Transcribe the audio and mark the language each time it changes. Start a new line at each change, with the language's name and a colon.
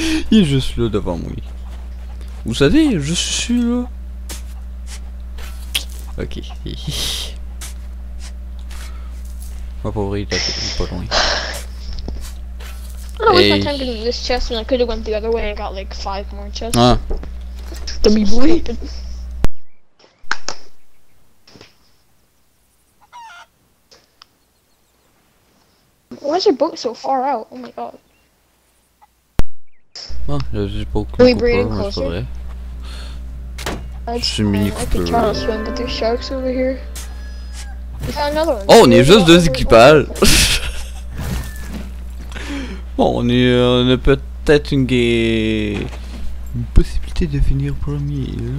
French: Il est juste là devant moi. Vous savez, je suis là.
English: Ok.
French: Ma pauvre, il est pas loin.
English: I was not time getting this chest and I could have went the other way and got like 5 more chests. Ah. Dummy boy. Why is your boat so far out? Oh my god. Oh, there's this boat. Can we bring it closer? I can try to swim, but there's sharks over here. We found another one.
French: Oh, on est juste deux équipages. Bon, on a peut-être une possibilité de finir premier.